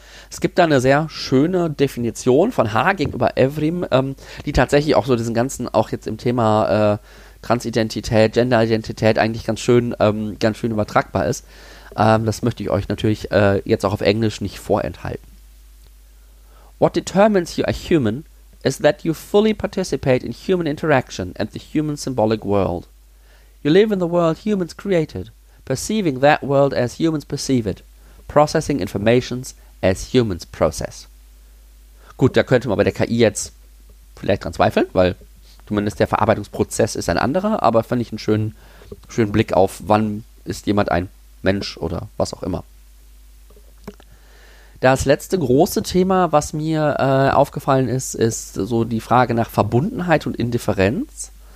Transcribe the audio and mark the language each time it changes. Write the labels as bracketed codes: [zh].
[de] Es gibt da eine sehr schöne Definition von Ha gegenüber Evrim, die tatsächlich auch so diesen ganzen, auch jetzt im Thema Transidentität, Genderidentität eigentlich ganz schön übertragbar ist. Das möchte ich euch natürlich jetzt auch auf Englisch nicht vorenthalten. [en] What determines you are human is that you fully participate in human interaction and the human symbolic world. You live in the world humans created, perceiving that world as humans perceive it, processing informations as humans process. [de] Gut, da könnte man bei der KI jetzt vielleicht dran zweifeln, weil zumindest der Verarbeitungsprozess ist ein anderer, aber fand ich einen schönen Blick auf, wann ist jemand ein Mensch oder was auch immer. Das letzte große Thema, was mir aufgefallen ist, ist so die Frage nach Verbundenheit und Indifferenz.